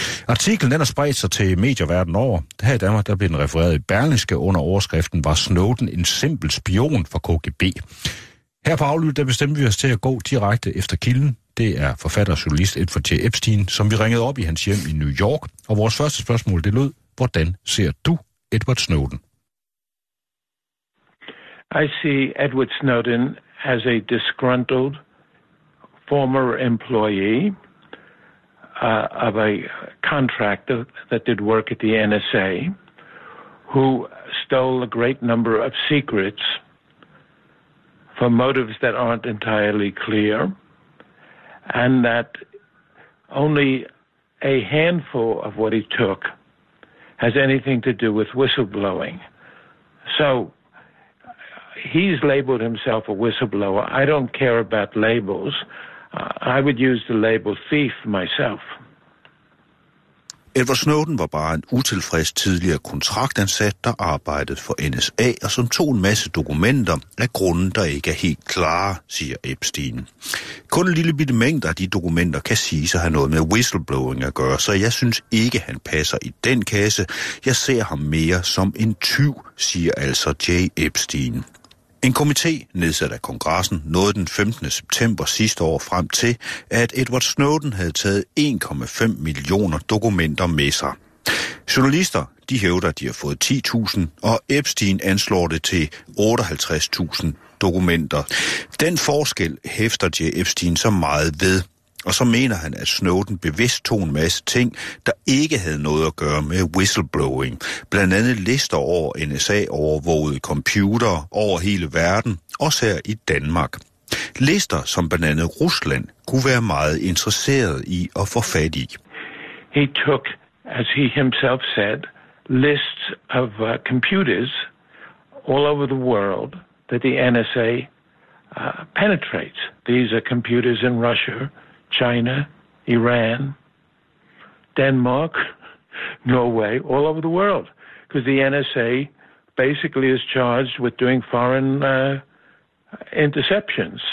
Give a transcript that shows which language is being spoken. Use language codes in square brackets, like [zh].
[da] Artiklen, den har spredt sig til medieverden over. Her i Danmark, der blev den refereret i Berlingske under overskriften, var Snowden en simpel spion for KGB. Her på Aflyttet, der bestemte vi os til at gå direkte efter kilden. Det er forfatter og journalist Edward J. Epstein, som vi ringede op i hans hjem i New York. Og vores første spørgsmål, det lød, hvordan ser du Edward Snowden? [en] I see Edward Snowden as a disgruntled former employee of a contractor that did work at the NSA, who stole a great number of secrets for motives that aren't entirely clear. And that only a handful of what he took has anything to do with whistleblowing. So he's labeled himself a whistleblower. I don't care about labels. I would use the label thief myself. [da] Edward Snowden var bare en utilfreds tidligere kontraktansat, der arbejdede for NSA, og som tog en masse dokumenter af grunden, der ikke er helt klare, siger Epstein. Kun en lille bitte mængde af de dokumenter kan sige sig have noget med whistleblowing at gøre, så jeg synes ikke, han passer i den kasse. Jeg ser ham mere som en tyv, siger altså J. Epstein. En komité nedsat af kongressen nåede den 15. september sidste år frem til, at Edward Snowden havde taget 1,5 millioner dokumenter med sig. Journalister, de hævder, at de har fået 10.000, og Epstein anslår det til 58.000 dokumenter. Den forskel hæfter J. Epstein så meget ved, og så mener han, at Snowden bevidst tog en masse ting, der ikke havde noget at gøre med whistleblowing. Blandt andet lister over NSA-overvågede computere over hele verden, også her i Danmark. Lister, som blandt andet Rusland kunne være meget interesseret i at få fat i. [en] He took, as he himself said, lists of computers all over the world that the NSA penetrates. These are computers in Russia, China, Iran, Denmark, Norway, all over the world, because the NSA basically is charged with doing foreign interceptions.